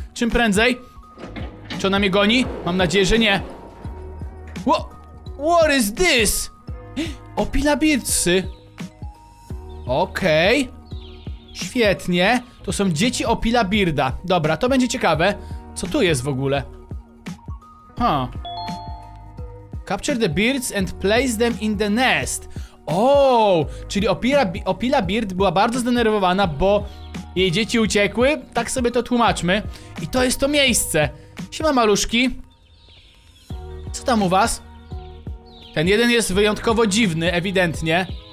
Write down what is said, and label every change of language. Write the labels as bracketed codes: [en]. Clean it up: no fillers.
[pl] Czym prędzej? Czy ona mnie goni? Mam nadzieję, że nie. [en] What is this? Opila Birdsy. [pl] Okej. Świetnie. To są dzieci Opila Birda. Dobra, to będzie ciekawe. Co tu jest w ogóle? Huh. [en] Capture the birds and place them in the nest. [pl] Oh, czyli Opila Bird była bardzo zdenerwowana, bo jej dzieci uciekły. Tak sobie to tłumaczmy. I to jest to miejsce. Siema maluszki. Co tam u was? Ten jeden jest wyjątkowo dziwny, ewidentnie.